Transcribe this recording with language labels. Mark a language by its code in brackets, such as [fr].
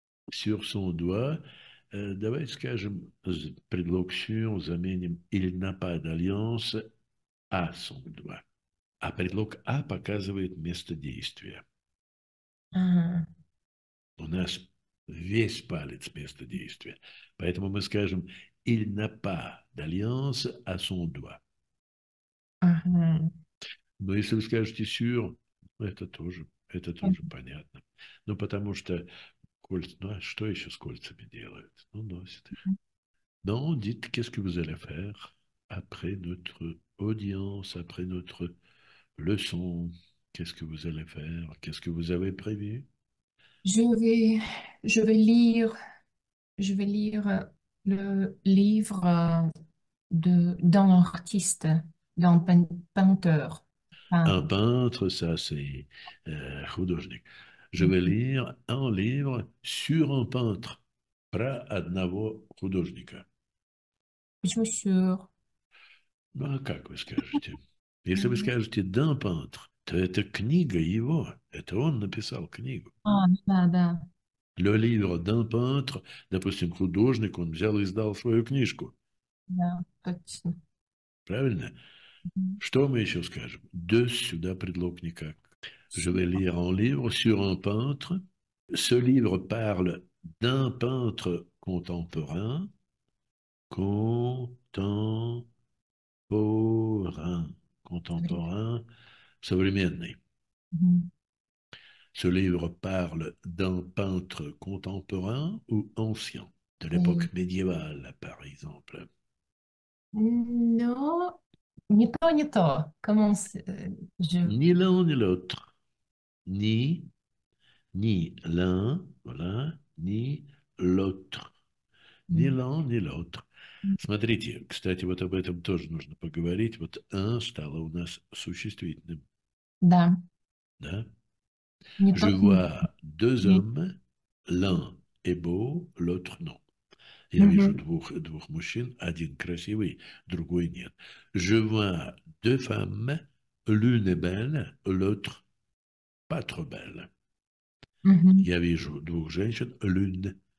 [fr] Sur son doigt, [ru] давайте скажем, предлог [fr] sur, [ru] заменим, [fr] il n'a pas d'alliance à son doigt. [ru] А предлог à показывает место действия. У нас весь палец место действия. Поэтому мы скажем, [fr] il n'a pas d'alliance à son doigt. [ru] Но если вы скажете sur, это тоже понятно. Ну, потому что кольца, ну, а что еще с кольцами делают? Ну, носят их. [fr] Non, dites, qu'est-ce que vous allez faire après notre audience, après notre leçon? Qu'est-ce que vous allez faire? Qu'est-ce que vous avez prévu? Je vais lire le livre d'un artiste, d'un peinteur. Un peintre, ça c'est [ru] художник. [fr] Je vais lire un livre sur un peintre, [ru] про одного художника. Почему sûr? Ну а как вы скажете? Если вы скажете [fr] «d'un peintre», [ru] то это книга его, это он написал книгу. Да. [fr] Le livre d'un peintre, [ru] допустим, художник, он взял и издал свою книжку. Да, точно. Правильно? Что мы еще скажем? [fr] De [ru] сюда предлог никак. [fr] Je vais lire un livre sur un peintre. Ce livre parle d'un peintre contemporain. Contemporain. Contemporain. [ru] Современный. [fr] Ce livre parle d'un peintre contemporain ou ancien, de l'époque médiévale, par exemple. Non, ni to, ni to. Comment je... Ni l'un ni l'autre. Ni l'un, voilà, ni l'autre. Ni l'un ni l'autre. [ru] Смотрите, кстати, вот об этом тоже нужно поговорить. Вот «ан» стало у нас существительным. Да. Да? Не [fr] Je [ru] тот, не... [fr] vois deux [ru] Не... [fr] hommes, l'un est beau, l'autre non. [ru] Я вижу двух мужчин, один красивый, другой нет. [fr] Je vois deux femmes, l'une est belle, l'autre pas trop belle. [ru] Я вижу двух женщин, [fr] l'une.